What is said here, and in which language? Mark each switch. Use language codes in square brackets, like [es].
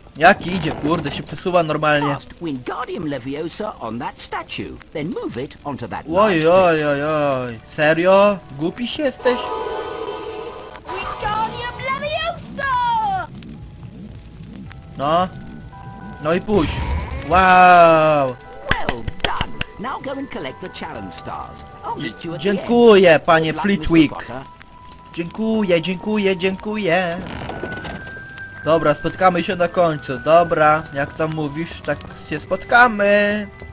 [pl] Jaki idzie, kurde, się przesuwa normalnie. [en] Wingardium Leviosa on that statue, then move it onto that. [pl] Oj, oj, oj, oj. Serio? Głupi się jesteś? [la] Wingardium Leviosa! [pl] No. No i puść. Wow. [en] Well done. Now go and collect the challenge stars. I'll meet you at the end. [pl] Dziękuję, panie Flitwick. Dziękuję, dziękuję, dziękuję. Dobra, spotkamy się na końcu. Dobra, jak tam mówisz, tak się spotkamy.